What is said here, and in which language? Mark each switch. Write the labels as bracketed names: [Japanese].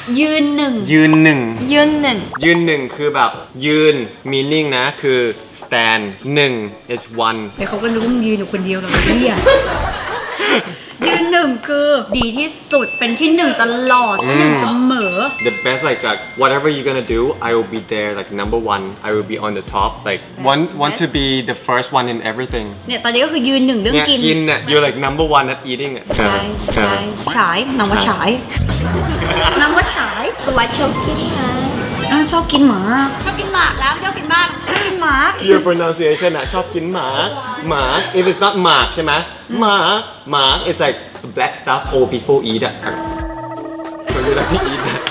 [Thai] ยืนหนึ่ง ยืนหนึ่ง ยืนหนึ่ง ยืนหนึ่งคือแบบยืน meaning นะคือ stand หนึ่ง [English] is one [Thai] แต่เขาก็รู้ว่ามึงยืนอยู่คนเดียวหรอกเนี่ย ยืนหนึ่งคือดีที่สุดเป็นที่หนึ่งตลอดหนึ่งเสมอ [English] The best like whatever you're gonna do I will be there like number one I will be on the top like want to be the first one in everything [Thai] เนี่ยตอนนี้ก็คือยืนหนึ่งเรื่องกิน กินเนี่ย [English] you're like number one at eating [Thai] ใช่ใช่ฉายน้ำว่าฉายน้ำว่าฉาย เป็นไรชอบกินค่ะ ชอบกินหมา ชอบกินหมาแล้วชอบกินมากชอบกินหมา [English] Your pronunciation [Thai] นะชอบกินหมาหมา [English] If it's not [Thai] หมากใช่ไหมหมาหมา [English] It's like black stuff old people eat [Thai] อะคนเวลาที่ [English] eat